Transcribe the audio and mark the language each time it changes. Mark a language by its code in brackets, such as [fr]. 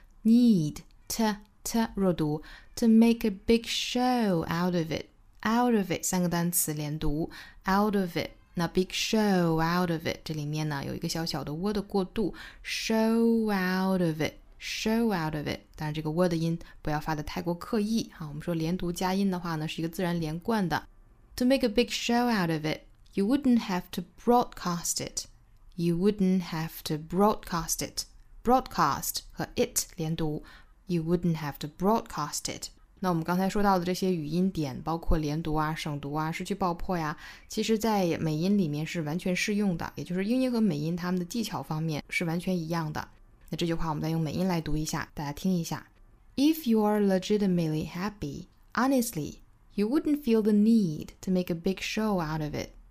[en] need t t [zh] 弱读 [en] to make a big show out of it， out of it [zh] 三个单词连读 [en] out of it。 [zh] 那 [en] big show out of it [zh] 这里面呢有一个小小的 w 的过渡 [en] show out of it， show out of it， [zh] 当然这个 w 的音不要发得太过刻意啊。我们说连读加音的话呢是一个自然连贯的。 [en] To make a big show out of it, you wouldn't have to broadcast it, you wouldn't have to broadcast it, broadcast 和 it 连读 you wouldn't have to broadcast it。 [zh] 那我们刚才说到的这些语音点，包括连读啊、省读啊、失去爆破呀，其实在美音里面是完全适用的，也就是英音和美音它们的技巧方面是完全一样的。那这句话我们再用美音来读一下，大家听一下。 [en] If you are legitimately happy, honestly, you wouldn't feel the need to make a big show out of it.